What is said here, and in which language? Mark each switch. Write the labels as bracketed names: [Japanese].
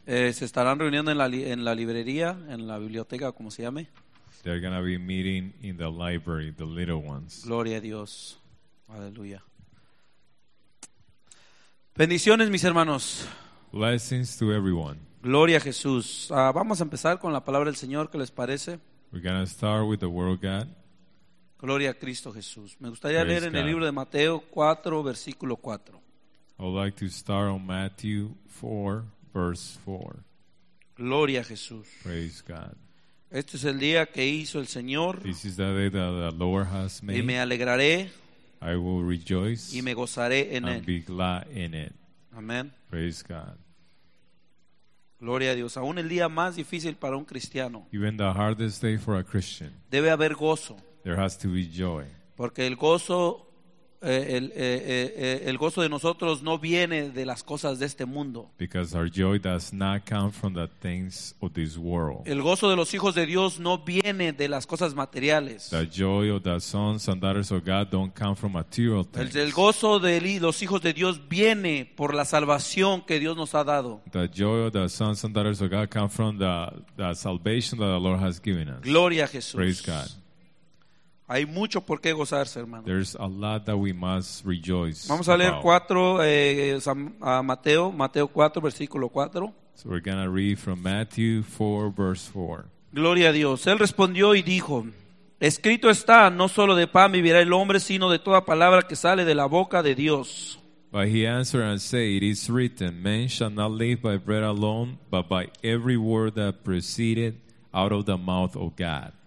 [Spanish] Se estarán reuniendo en la librería, en la biblioteca, como se llame. [English] They're gonna be meeting in the library, the little ones. [Spanish] Gloria a Dios, aleluya. Bendiciones, mis hermanos. [English] Blessings to everyone. [Spanish] Gloria a Jesús. Vamos a empezar con la palabra del Señor, ¿qué les parece? [English] We're gonna start with the word of God. [Spanish] Gloria a Cristo Jesús. Me gustaría Praise leer en God. El libro de Mateo 4, versículo 4. [English] I would like to start on Matthew 4, verse 4. [Spanish] Gloria a Jesús. [English] Praise God. [Spanish] Este es el día que hizo el Señor. [English] This is the day that the Lord has made. [Spanish] Y me alegraré. [English] I will rejoice. [Spanish] Y me gozaré en él. [English] And be glad in it. [Spanish] Amén. [English] Praise God. [Spanish] Gloria a Dios. Aún el día más difícil para un cristiano. [English] Even the hardest day for a Christian. [Spanish] Debe haber gozo. [English] There has to be joy. [Spanish] Porque el gozo de nosotros no viene de las cosas de este mundo. [English] Because our joy does not come from the things of this world. [Spanish] El gozo de los hijos de Dios no viene de las cosas materiales. [English] The joy of the sons and daughters of God don't come from material things. [Spanish] El gozo de los hijos de Dios viene por la salvación que Dios nos ha dado. [English] The joy of the sons and daughters of God come from the salvation that the Lord has given us. [Spanish] Gloria a Jesús. [English] Praise God. [Spanish] Hay mucho por qué gozarse, hermano. [English] There's a lot that we must rejoice. [Spanish] Vamos a leer [English] about. [Spanish] Mateo 4, versículo 4. [English] So we're going to read from Matthew 4, verse 4. [Spanish] Gloria a Dios. Él respondió y dijo, escrito está, no solo de pan vivirá el hombre, sino de toda palabra que sale de la boca de Dios. [English] But he answered and said, it is written, man shall not live by bread alone, but by every word that proceeded out of the mouth of God.